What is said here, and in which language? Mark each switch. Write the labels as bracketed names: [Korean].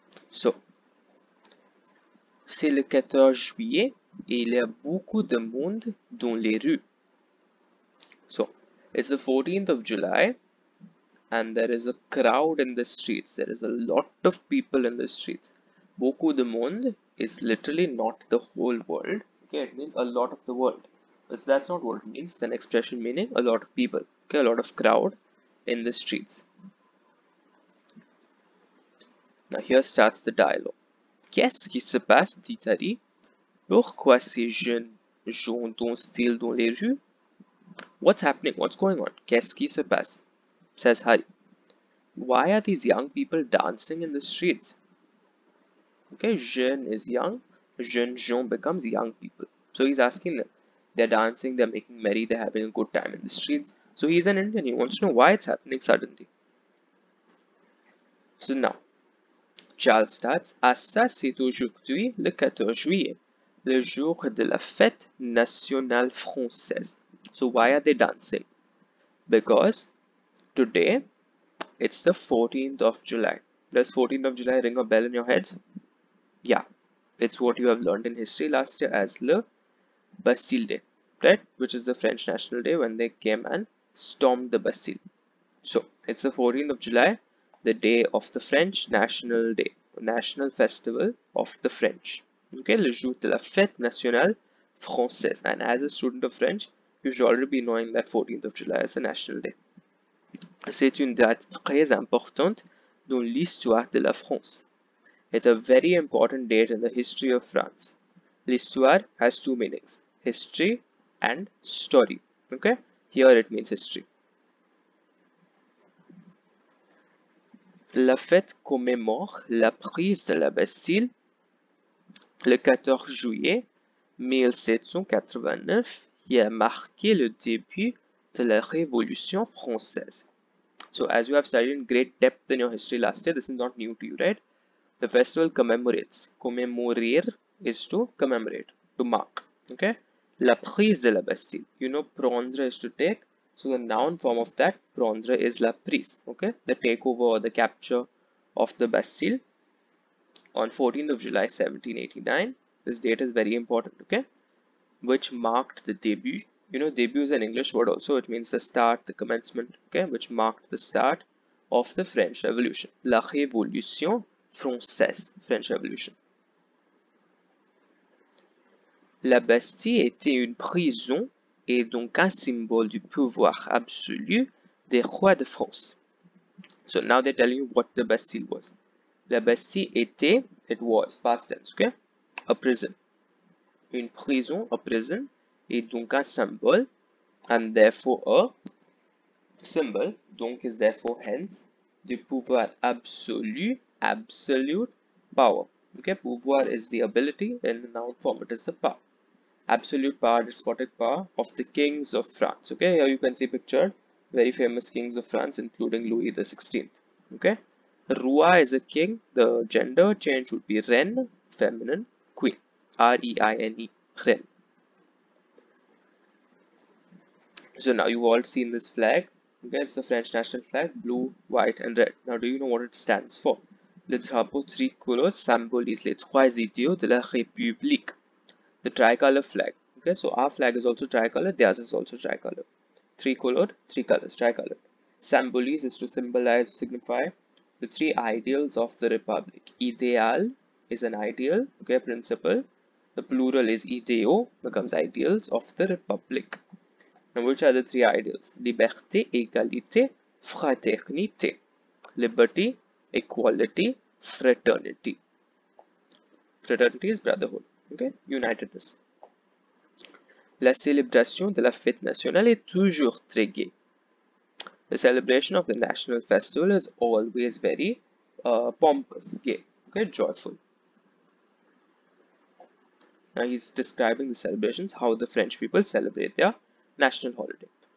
[French] So, c'est le 14 juillet et il y a beaucoup de monde dans les rues. [English] So, it's the 14th of July and there is a crowd in the streets. There is a lot of people in the streets. [French] Beaucoup de monde [English] is literally not the whole world. Okay, it means a lot of the world. But that's not what it means. It's an expression meaning a lot of people. Okay, a lot of crowd in the streets. Now here starts the dialogue. [French] Qu'est-ce qui se passe, dit Harry? Pourquoi ces jeunes gens sont-ils dans les rues? [English] What's happening? What's going on? [French] Qu'est-ce qui se passe? [English] Says Harry. Why are these young people dancing in the streets? Okay, jeune is young. Jeune gens becomes young people. So he's asking them. They're dancing, they're making merry, they're having a good time in the streets. So he's an Indian, he wants to know why it's happening suddenly. So now, Charles starts. [French] Assa, c'est aujourd'hui le 14 juillet, le jour de la fête nationale française. [English] So why are they dancing? Because today, it's the 14th of July. Does 14th of July ring a bell in your head? Yeah. It's what you have learned in history last year as Le Bastille Day, right? Which is the French National Day when they came and stormed the Bastille. So, it's the 14th of July, the day of the French National Day, National Festival of the French. [French] Okay, le jour de la fête nationale française. [English] And as a student of French, you should already be knowing that 14th of July is a national day. [French] C'est une date très importante dans l'histoire de la France. [English] It's a very important date in the history of France. L'histoire has two meanings, history and story. Okay, here it means history. [French] La fête commémore la prise de la Bastille le 14 juillet 1789 qui a marqué le début de la Révolution française. [English] So as you have studied in great depth in your history last year, this is not new to you, right? The festival commemorates. Commemorer is to commemorate, to mark. Okay? [French] La prise de la Bastille. [English] You know, prendre is to take. So the noun form of that, prendre, is la prise. Okay? The takeover or the capture of the Bastille on 14th of July 1789. This date is very important. Okay? Which marked the debut. You know, debut is an English word also. It means the start, the commencement. Okay? Which marked the start of the French Revolution. [French] La Révolution Française, [English] French Revolution. [French] La Bastille était une prison et donc un symbole du pouvoir absolu des rois de France. [English] So now they're telling you what the Bastille was. [French] La Bastille était, [English] it was, past tense, okay? A prison. [French] Une prison, [English] a prison, [French] et donc un symbole, [English] and therefore a symbol, [French] donc [English] is therefore hence, [French] du pouvoir absolu. [English] Absolute power. Okay, pouvoir is the ability, in the noun form it is the power. absolute power, despotic power of the kings of France. Okay, here you can see pictured very famous kings of France, including Louis the 16th. Okay, Roi is a king. The gender change would be Reine, feminine, queen. R-E-I-N-E, Reine. So now you've all seen this flag. Okay, it's the French national flag, blue, white, and red. Now, do you know what it stands for? [French] Le drapeau tricolore symbolise les trois idéaux de la République. [English] The tricolor flag. Okay, so our flag is also tricolor, theirs is also tricolor. Tricolored, three colors, tricolor. Symbolise is to symbolize, signify the three ideals of the Republic. Ideal is an ideal, okay, principle. The plural is idéaux, becomes ideals of the Republic. Now, which are the three ideals? Liberté, égalité, fraternité. Liberty, equality, fraternity. Fraternity is brotherhood, okay? Unitedness. [French] La célébration de la fête nationale est toujours très gaie. [English] The celebration of the national festival is always very pompous, gay, okay? Joyful. Now, he's describing the celebrations, how the French people celebrate their national holiday.